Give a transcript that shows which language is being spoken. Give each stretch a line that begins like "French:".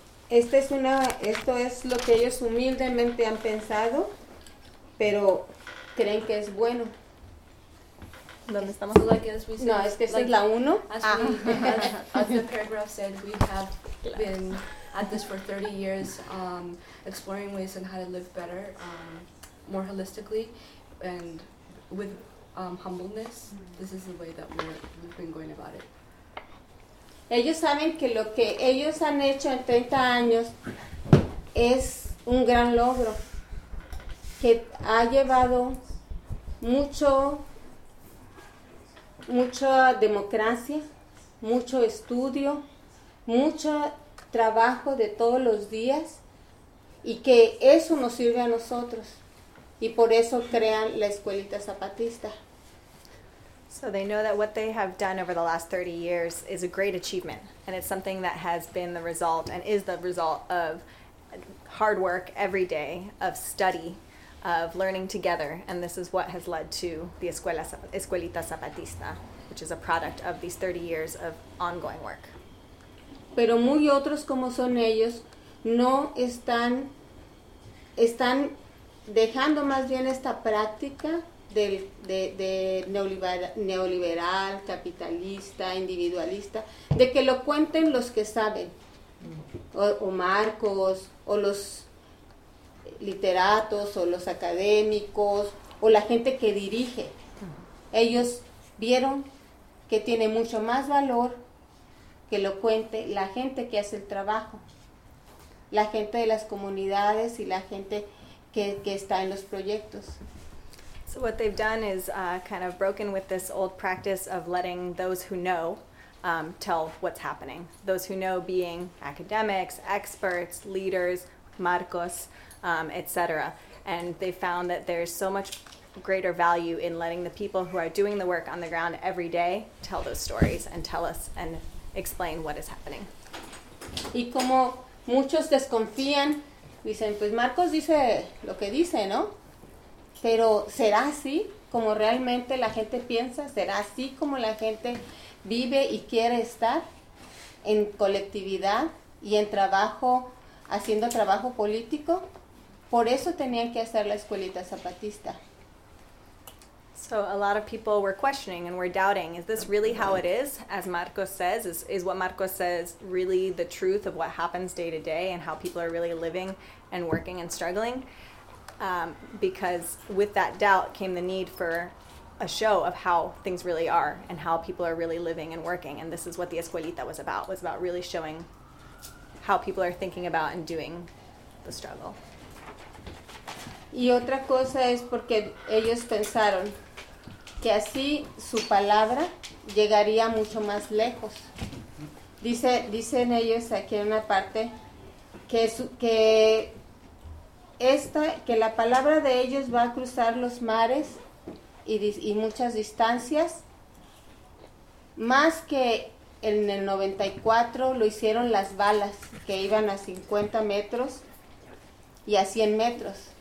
Spanish: Esto es lo que ellos humildemente han pensado, pero creen que es bueno. ¿Dónde estamos?
English: So, like, as we said,
Spanish: no, es que like, es la uno.
English: As the paragraph said, we have been at this for 30 years, exploring ways on how to live better, more holistically, and with humbleness. This is the way that we've been going about it.
Spanish: Ellos saben que lo que ellos han hecho en 30 años es un gran logro, que ha llevado mucha democracia, mucho estudio, mucho trabajo de todos los días, y que eso nos sirve a nosotros, y por eso crean la Escuelita Zapatista.
English: So they know that what they have done over the last 30 years is a great achievement, and it's something that has been the result and is the result of hard work every day, of study, of learning together, and this is what has led to the Escuelita Zapatista, which is a product of these 30 years of ongoing work.
Spanish: Pero muy otros como son ellos, no están dejando más bien esta práctica de neoliberal, capitalista, individualista, de que lo cuenten los que saben, o Marcos, o los literatos, o los académicos, o la gente que dirige. Ellos vieron que tiene mucho más valor que lo cuente la gente que hace el trabajo, la gente de las comunidades y la gente que está en los proyectos.
English: So what they've done is kind of broken with this old practice of letting those who know tell what's happening. Those who know being academics, experts, leaders, Marcos, etc. And they found that there's so much greater value in letting the people who are doing the work on the ground every day tell those stories and tell us and explain what is happening.
Spanish: Y como muchos desconfían, dicen, pues Marcos dice lo que dice, ¿no? Pero ¿será así como realmente la gente piensa? ¿Será así como la gente vive y quiere estar en colectividad y en trabajo, haciendo trabajo político? Por eso tenían que hacer la Escuelita Zapatista.
English: So a lot of people were questioning and were doubting, is this really how it is, as Marcos says? Is what Marcos says really the truth of what happens day to day and how people are really living and working and struggling? Because with that doubt came the need for a show of how things really are and how people are really living and working. And this is what the Escuelita was about really showing how people are thinking about and doing the struggle.
Spanish: Y otra cosa es porque ellos pensaron que así su palabra llegaría mucho más lejos. Dicen ellos aquí en una parte que la palabra de ellos va a cruzar los mares y muchas distancias, más que en el 94 lo hicieron las balas que iban a 50 metros y a 100 metros.